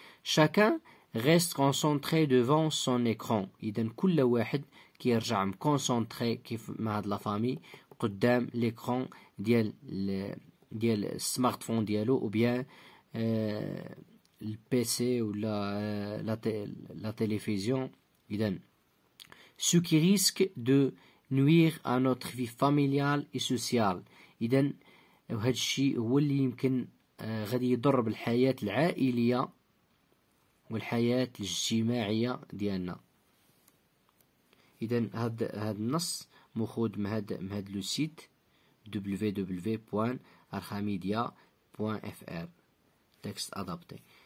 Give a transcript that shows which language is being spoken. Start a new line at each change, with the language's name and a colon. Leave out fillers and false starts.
French: شاكان ريست كونسونتري دوفون سون ايكرون،
Arabic: اذا كل واحد كيرجع مكونسونتري كيف مع هاد لا فامي قدام ليكرون ديال السمارت فون ديالو، او بيان البي سي ولا لا تيليفزيون.
French: اذا سو كي ريسك دو nuire à notre vie familiale et sociale.
Arabic: إذن وهذا الشيء هو اللي يمكن غادي يضر بالحياة العائلية والحياة الاجتماعية ديالنا. إذن هاد النص مخود مهد لو سيت www.archimedia.fr
French: تكست ادابتي.